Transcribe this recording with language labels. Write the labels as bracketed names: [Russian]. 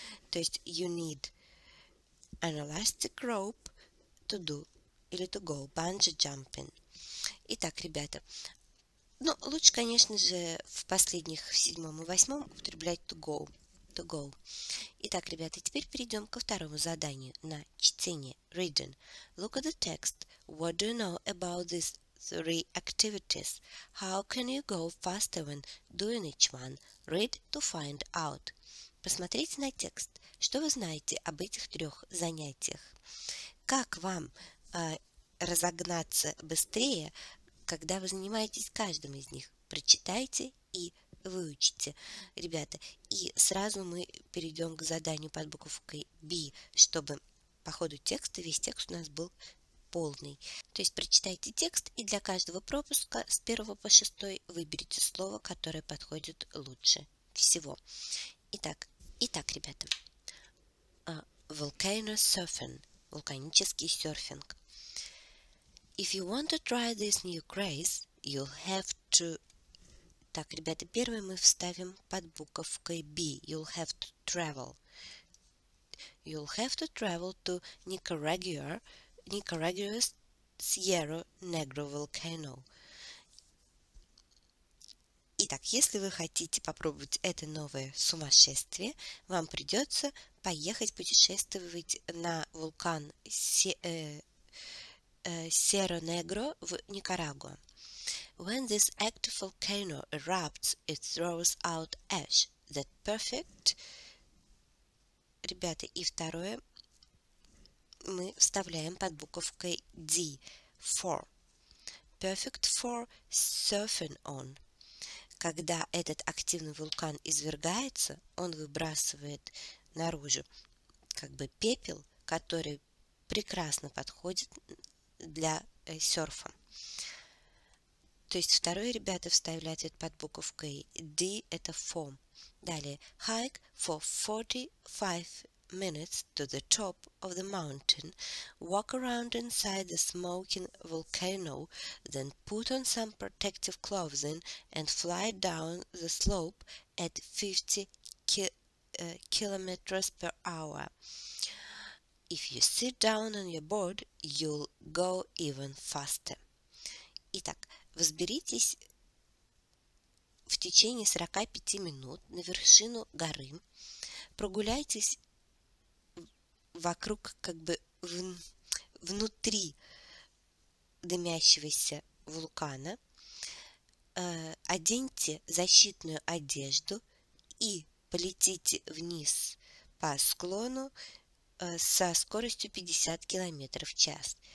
[Russian] То есть [English] you need an elastic rope to do [Russian] или [English] to go bungee jumping. [Russian] Итак, ребята, ну, лучше, конечно же, в последних, в седьмом и восьмом, употреблять to go. [English] To go. [Russian] Итак, ребята, теперь перейдем ко второму заданию на чтение. [English] Reading. Look at the text. What do you know about these three activities? How can you go faster when doing each one? Read to find out. [Russian] Посмотрите на текст. Что вы знаете об этих трех занятиях? Как вам разогнаться быстрее, когда вы занимаетесь каждым из них? Прочитайте и выучите, ребята. И сразу мы перейдем к заданию под буковкой B, чтобы по ходу текста весь текст у нас был полный. То есть прочитайте текст и для каждого пропуска с 1 по 6 выберите слово, которое подходит лучше всего. Итак, ребята. Volcano surfing. Вулканический серфинг. [English] If you want to try this new craze, you'll have to... [Russian] Так, ребята, первое мы вставим под буковкой B. [English] You'll have to travel. You'll have to travel to Nicaragua's Sierra Negra volcano. [Russian] Итак, если вы хотите попробовать это новое сумасшествие, вам придется поехать путешествовать на вулкан Sierra Negra в Никарагуа. [English] When this active volcano erupts, it throws out ash. That perfect. [Russian] Ребята, и второе мы вставляем под буковкой D. [English] For. Perfect for surfing on. [Russian] Когда этот активный вулкан извергается, он выбрасывает наружу как бы пепел, который прекрасно подходит для серфа. То есть второе, ребята, вставили ответ под буковкой D, это foam. Далее, [English] hike for 45 minutes to the top of the mountain, walk around inside the smoking volcano, then put on some protective clothing and fly down the slope at 50 kilometers per hour. If you sit down on your board, you'll go even faster. [Russian] Итак, взберитесь в течение 45 минут на вершину горы, прогуляйтесь вокруг, как бы внутри дымящегося вулкана, оденьте защитную одежду и полетите вниз по склону со скоростью 50 км в час.